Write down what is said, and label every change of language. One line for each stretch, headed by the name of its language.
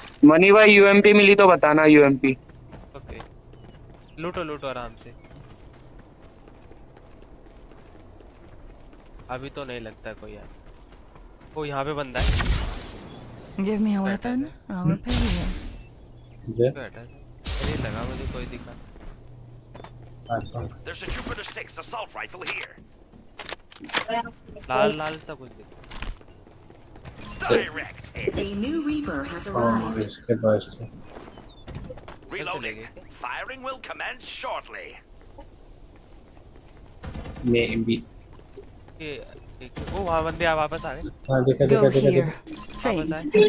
Hindi: Money भाई UMP मिली तो बताना यूएमपी ओके लूटो आराम से अभी तो नहीं लगता कोई यार वो यहाँ पे बंदा है
English: Give me a weapon, I'll repay you. There's a Jupiter 6 assault rifle here.
Hindi: Lal, sab kuch.
English: Direct. A new Reaper has arrived. Reloading. Firing will commence shortly. Maybe.
Hindi: वो वहाँ बंदे आ वापस आ गए। हाँ देखा।